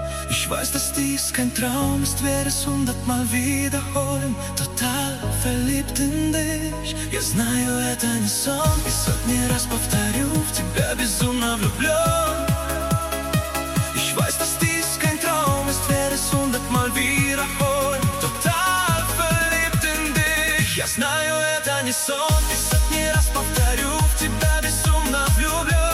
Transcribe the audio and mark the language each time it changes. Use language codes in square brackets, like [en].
[de] Ich weiß, dass dies kein Traum ist, werde es hundertmal wiederholen. Total verliebt in dich. [ru] Я знаю, это не сон, и сотни раз повторю, в тебя безумно влюблен. [de] Ich weiß, dass dies kein Traum ist, werde es hundertmal wiederholen. Total verliebt in dich. [ru] Я знаю, это не сон, и сотни раз повторю, в тебя безумно влюблен.